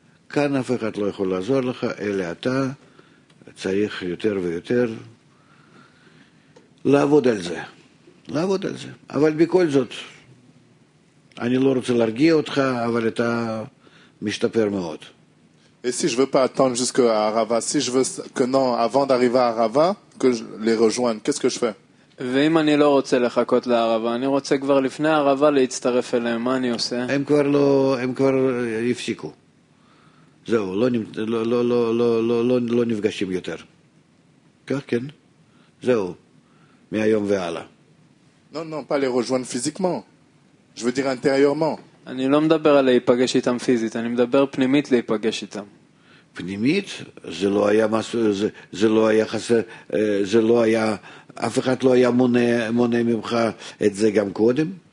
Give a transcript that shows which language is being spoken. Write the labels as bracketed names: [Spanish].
[Hebrew] כאן אף אחד לא יכול לעזור לך, אלא אתה צריך יותר ויותר לעבוד על זה. לעבוד על זה. אבל בכל זאת, אני לא רוצה להרגיע אותך, אבל אתה משתפר מאוד. [French] Et si je veux pas attendre jusqu'à Arava, si je veux que non, avant d'arriver à Arava, que je les rejoigne, qu'est-ce que je fais? [Hebrew] ואם אני לא רוצה לחכות לערבה, אני רוצה כבר לפני ערבה להצטרף אליהם, מה אני עושה? הם כבר יפסיקו. זהו, לא לא לא לא לא לא לא נפגשים יותר. כך כן. זהו. מהיום והלאה. [French] Non, pas les rejoindre physiquement. Je veux dire intérieurement. [Hebrew] אני לא מדבר על להיפגש איתם פיזית, אני מדבר פנימית להיפגש איתם. פנימית? זה לא היה משהו, זה לא היה חסר, זה לא היה, אף אחד לא היה מונע ממך את זה גם קודם?